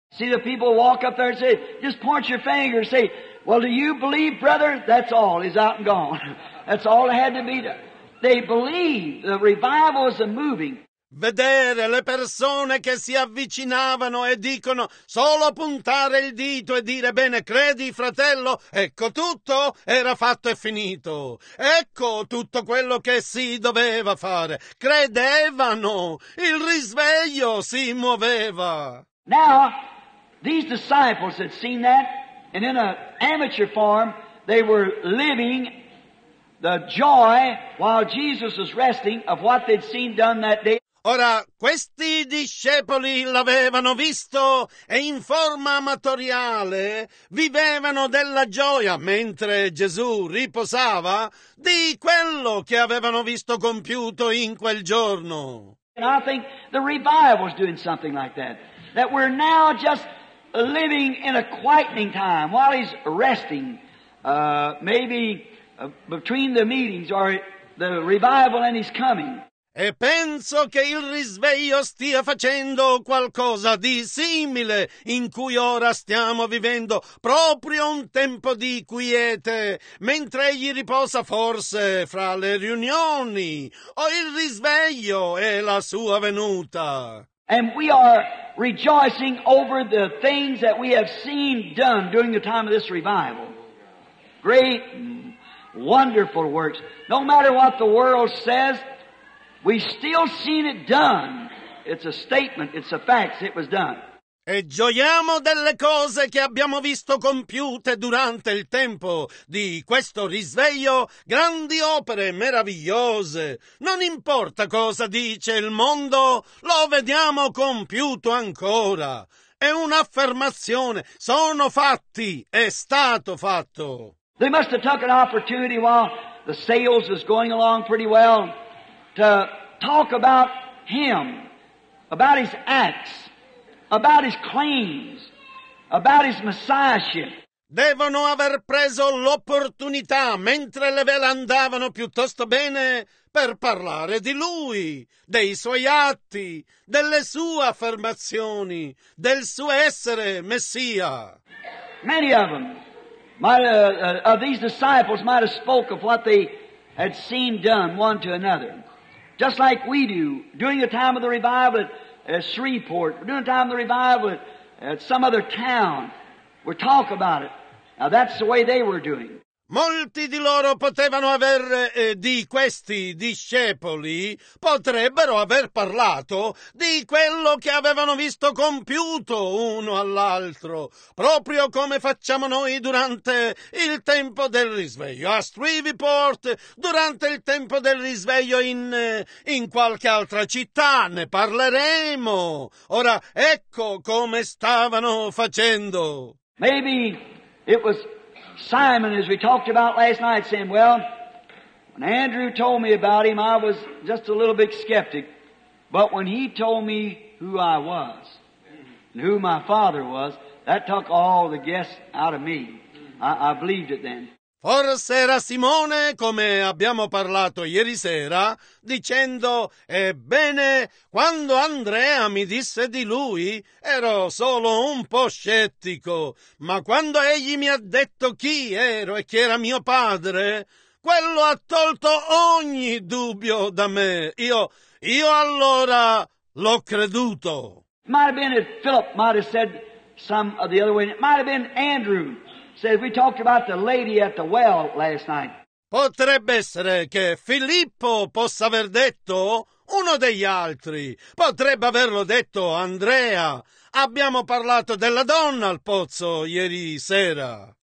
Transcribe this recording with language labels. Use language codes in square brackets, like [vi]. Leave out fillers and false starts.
[en] See the people walk up there and say, just point your finger and say, well, do you believe, brother? That's all. He's out and gone. That's all it had to be. They believe the revival is a moving. [it] Vedere le persone che si avvicinavano e dicono solo puntare il dito e dire bene, credi fratello, ecco tutto, era fatto e finito. Ecco tutto quello che si doveva fare. Credevano, il risveglio si muoveva. [en] Now, these disciples had seen that, and in an amateur form, they were living the joy while Jesus was resting of what they'd seen done that day. [it] Ora, questi discepoli l'avevano visto e in forma amatoriale vivevano della gioia mentre Gesù riposava di quello che avevano visto compiuto in quel giorno. [en] And I think the revival is doing something like that. That we're now just living in a quieting time while he's resting, maybe between the meetings or the revival and his coming. [it] E penso che il risveglio stia facendo qualcosa di simile in cui ora stiamo vivendo, proprio un tempo di quiete, mentre egli riposa forse fra le riunioni, o il risveglio è la sua venuta. [en] And we are rejoicing over the things that we have seen done during the time of this revival. Great, wonderful works. No matter what the world says, we've still seen it done. It's a statement, it's a fact, it was done. [it] E gioiamo delle cose che abbiamo visto compiute durante il tempo di questo risveglio, grandi opere meravigliose. Non importa cosa dice il mondo, lo vediamo compiuto ancora. È un'affermazione, sono fatti, è stato fatto. [en] They must have took an opportunity while the sales was going along pretty well to talk about him, about his acts, about his claims, about his messiahship. [it] Devono aver preso l'opportunità mentre le vele andavano piuttosto bene per parlare di lui, dei suoi atti, delle sue affermazioni, del suo essere Messia. [en] Many of them, of these disciples, might have spoke of what they had seen done one to another. Just like we do, during the time of the revival at Shreveport, during the time of the revival at some other town, we talk about it. Now that's the way they were doing. [it] Molti di loro potevano aver, di questi discepoli, potrebbero aver parlato di quello che avevano visto compiuto uno all'altro, proprio come facciamo noi durante il tempo del risveglio a Shreveport, durante il tempo del risveglio in qualche altra città, ne parleremo. Ora, ecco come stavano facendo. [en] Maybe it was Simon, as we talked about last night, saying, well, when Andrew told me about him, I was just a little bit skeptic. But when he told me who I was and who my father was, That took all the guess out of me. I believed it then. [it] Forse era Simone, come abbiamo parlato ieri sera, dicendo, ebbene, quando Andrea mi disse di lui, ero solo un po' scettico, ma quando egli mi ha detto chi ero e chi era mio padre, quello ha tolto ogni dubbio da me. Io allora l'ho creduto. [en] Might have been if Philip might have said some of the other way. It might have been Andrew. Says we talked about the lady at the well last night. [it] Potrebbe essere che Filippo possa aver detto uno degli altri. Potrebbe averlo detto Andrea. Abbiamo parlato della donna al pozzo ieri sera.